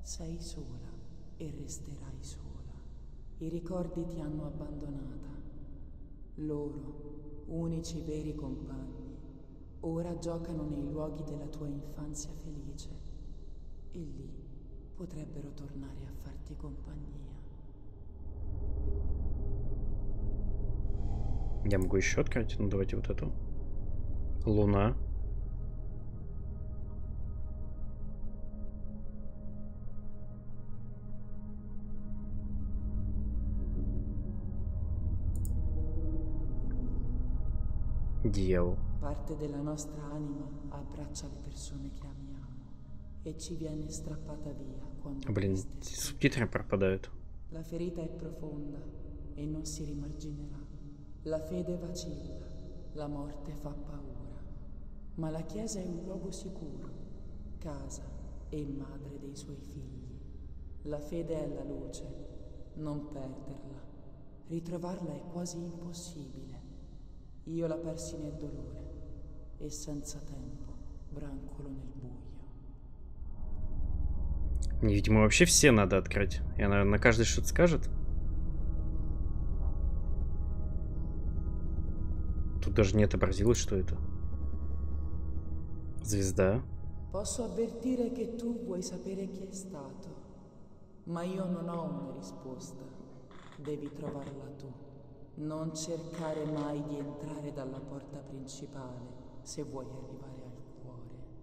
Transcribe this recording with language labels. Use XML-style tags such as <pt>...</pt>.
<it>Sei sola e resterai sola. I ricordi ti hanno abbandonata. Loro, unici veri compagni, ora giocano nei luoghi della tua infanzia felice. E lì potrebbero tornare a farti compagnia.</it> <ru>Я могу еще открыть, ну давайте вот эту. Луна. Дьявол.</ru> <it>Parte della nostra anima abbraccia le persone che amiamo e ci viene strappata via quando.</it> <ru>Блин, субтитры пропадают.</ru> <it>La ferita è profonda e non si rimarginerà. La fede vacilla, la morte fa paura. Ma la chiesa è un luogo sicuro, casa e madre dei suoi figli. La fede è la luce, non perderla. Ritrovarla è quasi impossibile. Io la persi nel dolore e senza tempo brancolo nel buio.</it> <ru>Видимо, вообще все надо открыть. И она на каждый что-то скажет. Даже не отобразилось, что это. Звезда.</ru> <it>Posso avvertire che tu vuoi sapere chi è stato, ma io non ho una risposta. Devi trovarla tu. Non cercare mai di entrare dalla porta principale se vuoi arrivare al cuore.</it>